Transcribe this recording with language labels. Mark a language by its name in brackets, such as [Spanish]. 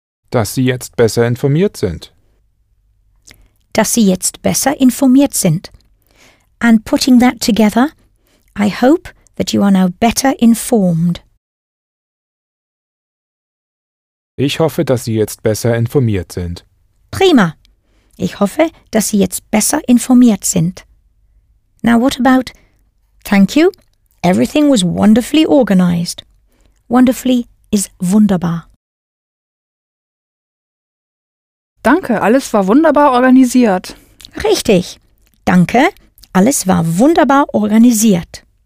[German] Dass Sie jetzt besser informiert sind. Dass Sie jetzt besser informiert sind. [English] And putting that together, I hope that you are now better informed. [German] Ich hoffe, dass Sie jetzt besser informiert sind. Prima. Ich hoffe, dass Sie jetzt besser informiert sind. [English] Now what about, thank you, everything was wonderfully organized. Wonderfully is wunderbar. [German] Danke, alles war wunderbar organisiert. Richtig. Danke, alles war wunderbar organisiert.